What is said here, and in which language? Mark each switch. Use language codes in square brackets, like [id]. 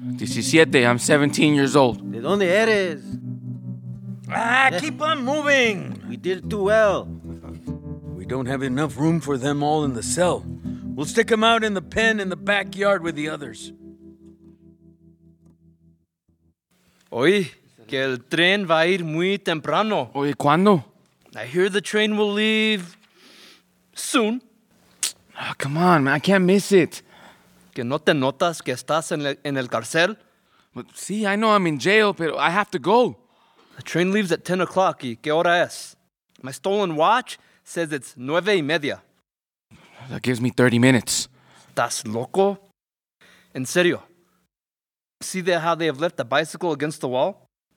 [en] 17. I'm 17 years old. [es] ¿De dónde eres? [en] Ah, keep on moving. We did too well. We don't have enough room for them all in the cell. We'll stick them out in the pen in the backyard with the others. [es] Oye, que el tren va a ir muy temprano. Oye, ¿cuándo? [en] I hear the train will leave soon. Oh, come on, man, I can't miss it. [es] Que no te notas que estás en el cárcel? [en] But see, I know I'm in jail, pero I have to go. The train leaves at 10 o'clock, [es] ¿y qué hora es? [en] My stolen watch says it's 9:30. That gives me 30 minutes. [es] ¿Estás loco? En serio. [en] See there how they have left the bicycle against the wall?